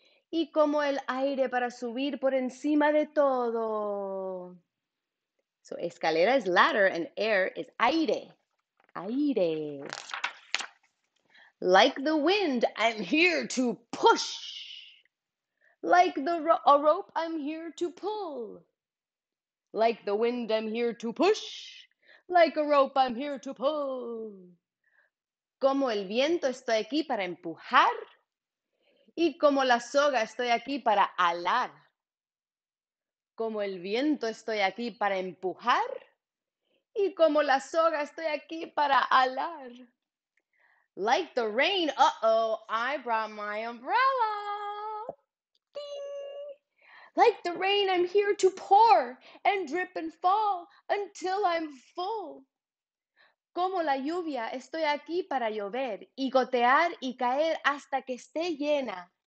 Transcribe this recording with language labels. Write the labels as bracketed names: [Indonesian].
[Spanish] Y como el aire para subir por encima de todo. [English] So escalera is ladder and air is aire. Aire. Like the wind, I'm here to push. Like the a rope, I'm here to pull. Like the wind, I'm here to push. Like a rope, I'm here to pull. [Spanish] Como el viento, estoy aquí para empujar. Y como la soga, estoy aquí para alar. Como el viento, estoy aquí para empujar. Y como la soga, estoy aquí para alar. [English] Like the rain, I brought my umbrella. Like the rain, I'm here to pour and drip and fall until I'm full. [Spanish] Como la lluvia, estoy aquí para llover y gotear y caer hasta que esté llena.